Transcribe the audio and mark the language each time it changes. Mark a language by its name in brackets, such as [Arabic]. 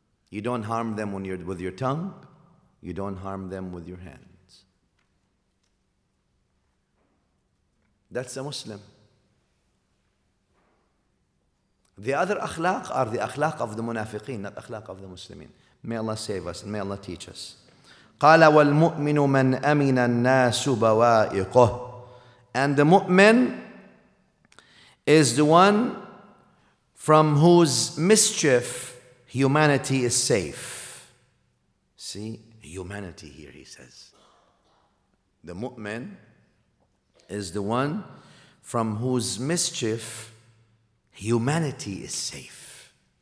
[English] You don't harm them when you're with your tongue. You don't harm them with your hands. That's a Muslim. The other akhlaq are the akhlaq of the munafiqeen, not akhlaq of the Muslimin. May Allah save us and may Allah teach us. [Arabic] قال والمؤمن من أمن الناس بوائقه. [English] And the mu'min is the one from whose mischief humanity is safe. See, humanity here, he says. The mu'min is the one from whose mischief humanity is safe.